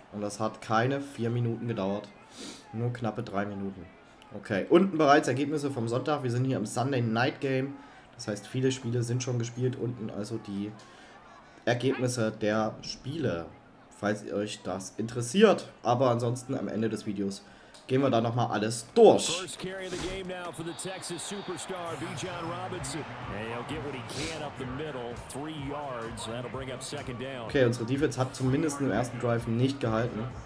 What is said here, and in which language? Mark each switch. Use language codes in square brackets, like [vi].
[de] Und das hat keine 4 Minuten gedauert. Nur knappe 3 Minuten. Okay. Unten bereits Ergebnisse vom Sonntag. Wir sind hier im Sunday Night Game. Das heißt, viele Spiele sind schon gespielt. Unten also die Ergebnisse der Spiele, falls ihr euch das interessiert. Aber ansonsten am Ende des Videos gehen wir da nochmal alles durch. [en] First carry of the game now for the Texas superstar, Bijan Robinson. And he'll get what he can up the middle, 3 yards, that'll bring up second down. [de] Okay, unsere Defense hat zumindest im ersten Drive nicht gehalten.